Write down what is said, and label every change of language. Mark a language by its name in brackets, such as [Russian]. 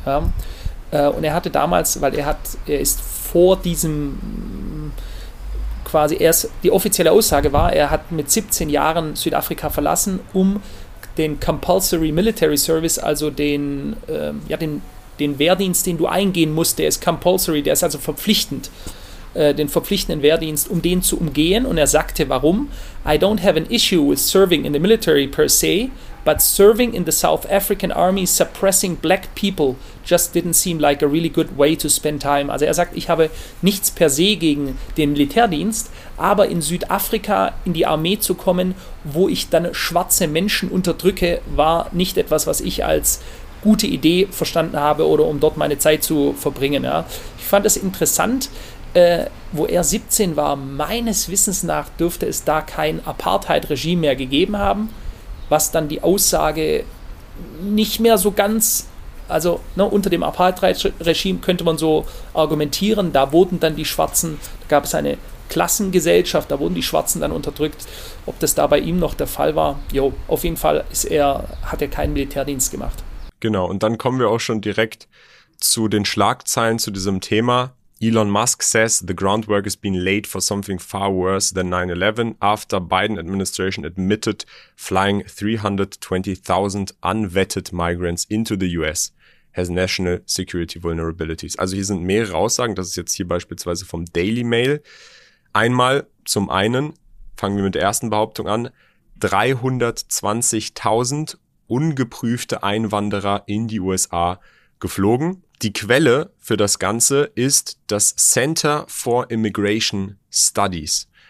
[German] Ja? Und er hatte damals, weil er ist vor diesem, quasi erst, die offizielle Aussage war, er hat mit 17 Jahren Südafrika verlassen, um den [English] Compulsory Military Service, [German] also den Wehrdienst, den du eingehen musst, der ist compulsory, der ist also verpflichtend, den verpflichtenden Wehrdienst, um den zu umgehen. Und er sagte, warum? [English] I don't have an issue with serving in the military per se, but serving in the South African Army suppressing black people just didn't seem like a really good way to spend time. [German] Also er sagt, ich habe nichts per se gegen den Militärdienst, aber in Südafrika in die Armee zu kommen, wo ich dann schwarze Menschen unterdrücke, war nicht etwas, was ich als gute Idee verstanden habe oder um dort meine Zeit zu verbringen. Ja. Ich fand es interessant, wo er 17 war, meines Wissens nach dürfte es da kein Apartheid-Regime mehr gegeben haben, was dann die Aussage nicht mehr so ganz, also ne, unter dem Apartheid-Regime könnte man so argumentieren, da wurden dann die Schwarzen, da gab es eine Klassengesellschaft, da wurden die Schwarzen dann unterdrückt. Ob das da bei ihm noch der Fall war, jo, auf jeden Fall hat er keinen Militärdienst gemacht. Genau, und dann kommen wir auch schon direkt zu den Schlagzeilen zu diesem Thema. [English] Elon Musk says the groundwork has been laid for something far worse than 9/11 after Biden administration admitted flying 320,000 unvetted migrants into the US has national security vulnerabilities. [German] Also hier sind mehrere Aussagen, das ist jetzt hier beispielsweise vom Daily Mail. Einmal zum einen, fangen wir mit der ersten Behauptung an, 320.000 ungeprüfte Einwanderer in die USA geflogen. Die Quelle für das Ganze ist das Center for Immigration Studies.